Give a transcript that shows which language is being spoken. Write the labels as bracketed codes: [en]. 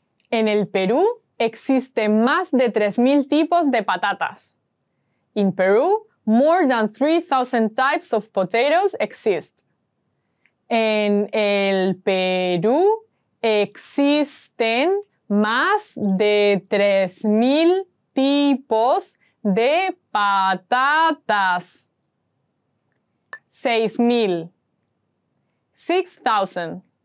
[es] En el Perú existen más de 3,000 tipos de patatas. [en] In Peru, more than 3,000 types of potatoes exist. [es] En el Perú existen más de 3,000 tipos de patatas. 6,000. 6,000.